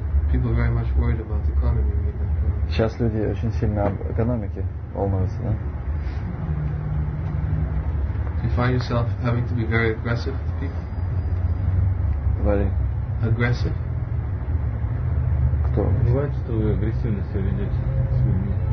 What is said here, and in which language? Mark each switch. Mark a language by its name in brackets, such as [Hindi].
[English] People are very much worried about the economy. [Russian] Сейчас люди очень сильно об экономике волнуются, да? [English] You find yourself having to be very aggressive with people? Very. Aggressive? [Russian] Кто? Бывает, что вы агрессивно себя ведете с людьми.